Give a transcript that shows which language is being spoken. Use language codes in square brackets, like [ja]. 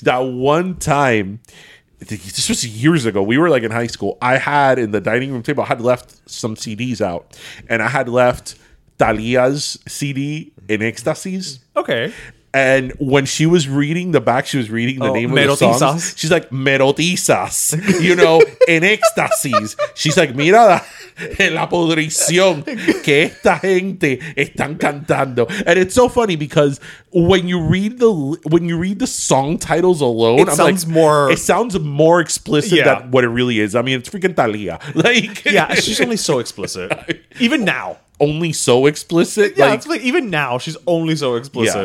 [en] That one time, this was years ago, we were like in high school. I had in the dining room table, I had left some CDs out, and I had left Thalia's CD in Ecstasies. Okay. And when she was reading the back, she was reading the name of the song. She's like, Merotizas, you know, [es] en éxtasis. [en] She's like, [es] mira la podrición que esta gente están cantando. [en] And it's so funny because when you read the song titles alone, it sounds more explicit than what it really is. I mean, it's freaking Thalia. Like, yeah, she's only so explicit. Even now. Only so explicit. Yeah, like, it's like even now she's only so explicit.